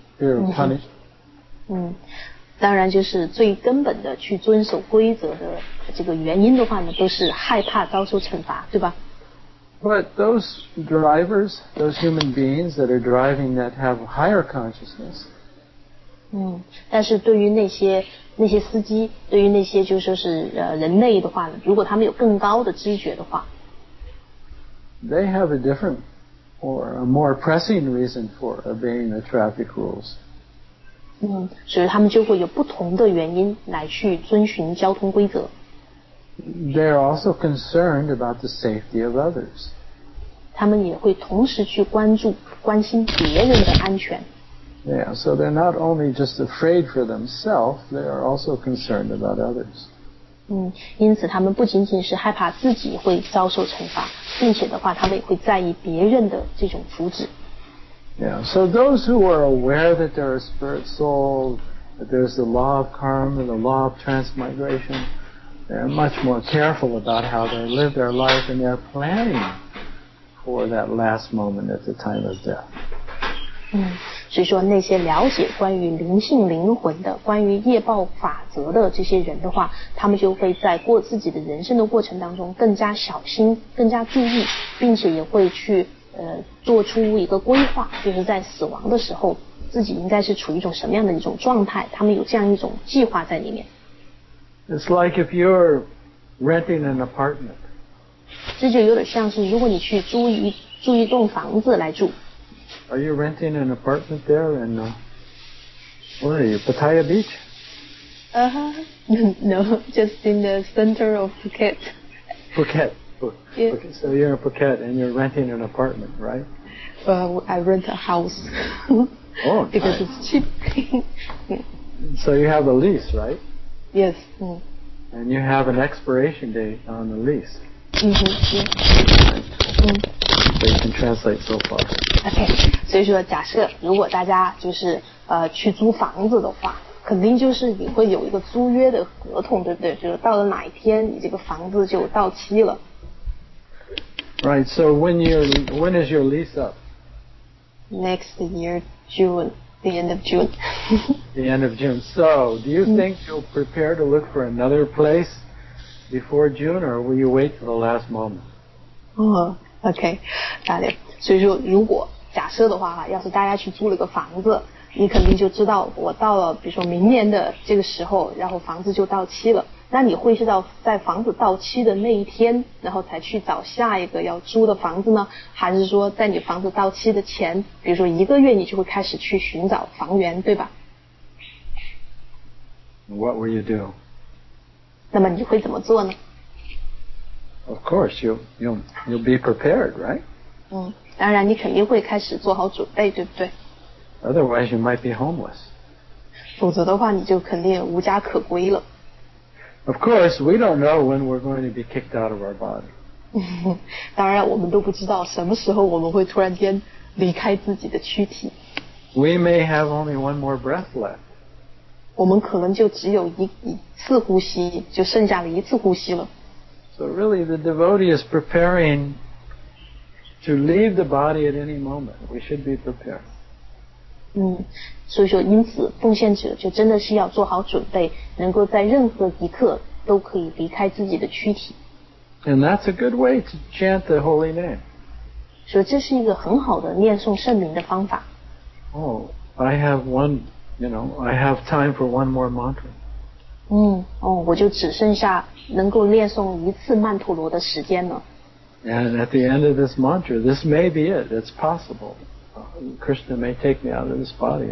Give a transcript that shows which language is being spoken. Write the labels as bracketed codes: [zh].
[en] Fear of punishment. [zh] 当然就是最根本的去遵守规则的这个原因的话呢都是害怕遭受惩罚对吧 [en] But those drivers those human beings that are driving that have higher consciousness [zh] 但是对于那些司机对于那些就是说是人类的话呢如果他们有更高的知觉的话 [en] They have a different or a more pressing reason for obeying the traffic rules [zh] 所以他们就会有不同的原因来去遵循交通规则。 [en] They're also concerned about the safety of others. [zh] 他们也会同时去关心别人的安全。 [en] Yeah, so they're not only just afraid for themselves, they are also concerned about others. [zh] 因此他们不仅仅是害怕自己会遭受惩罚，并且的话，他们也会在意别人的这种福祉。 [en] Yeah, so those who are aware that there are spirit souls, that there's the law of karma, the law of transmigration, they're much more careful about how they live their life and they're planning for that last moment at the time of death. [zh] 所以说那些了解关于灵性灵魂的、关于业报法则的这些人的话，他们就会在过自己的人生的过程当中更加小心、更加注意，并且也会去做出一个规划就是在死亡的时候自己应该是处于一种什么样的一种状态他们有这样一种计划在里面 [en] It's like if you're renting an apartment [zh] 这就有点像是如果你去租一栋房子来住 [en] Are you renting an apartment there in where are you? Pattaya Beach? No, just in the center of Phuket Phuket Yeah. Okay, so you're in Phuket and you're renting an apartment, right? I rent a house. Oh, nice. Because it's cheap. So you have a lease, right? Yes. Mm. And you have an expiration date on the lease. Mm-hmm. So you can translate so far. Okay. [zh] 所以说，假设如果大家就是去租房子的话，肯定就是你会有一个租约的合同，对不对？就是到了哪一天，你这个房子就到期了。 [en] Right. So when is your lease up? Next year, June. The end of June. The end of June. So, do you think you'll prepare to look for another place before June, or will you wait till the last moment? Oh, okay. [zh] 大家，所以说，如果假设的话，要是大家去租了个房子，你肯定就知道我到了，比如说明年的这个时候，然后房子就到期了。那你会是到在房子到期的那一天，然后才去找下一个要租的房子呢？还是说在你房子到期的前，比如说一个月，你就会开始去寻找房源，对吧 [en] ？What will you do? [zh] 那么你会怎么做呢 [en] ？Of course, you'll be prepared, right? [zh] 嗯，当然你肯定会开始做好准备，对不对？ [en] Otherwise, you might be homeless. [zh] 否则的话，你就肯定无家可归了。 [en] Of course, we don't know when we're going to be kicked out of our body. [zh] 当然，我们都不知道什么时候我们会突然间离开自己的躯体。 [en] We may have only one more breath left. [zh] 我们可能就只有一次呼吸，就剩下了一次呼吸了。 [en] So really, the devotee is preparing to leave the body at any moment. We should be prepared. [zh] 嗯，所以说，因此奉献者就真的是要做好准备，能够在任何一刻都可以离开自己的躯体。 [en] And that's a good way to chant the holy name. [zh] 所以这是一个很好的念诵圣名的方法。 [en] Oh, I have one, you know, I have time for one more mantra. [zh] 嗯，哦，我就只剩下能够念诵一次曼陀罗的时间了。 [en] And at the end of this mantra, this may be it. It's possible. Krishna may take me out of this body.